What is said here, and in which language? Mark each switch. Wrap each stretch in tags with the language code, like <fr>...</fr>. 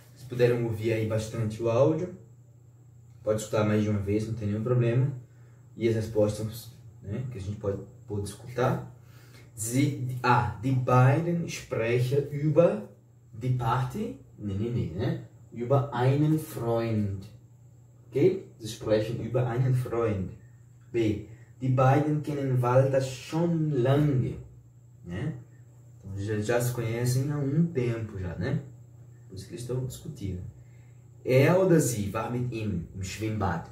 <pt>Se puderam ouvir aí bastante o áudio, pode escutar mais de uma vez, não tem nenhum problema. E as respostas, né, que a gente pode escutar.</pt> <de>Die beiden sprechen über die Party, né? Über einen Freund. Ok? Sie sprechen über einen Freund. B. Die beiden kennen Walter schon lange.</de> <pt>Né? Então, já se conhecem há um tempo já, né? Por isso que eles estão discutindo.</pt> <de>Oder sie war mit ihm im Schwimmbad.</de>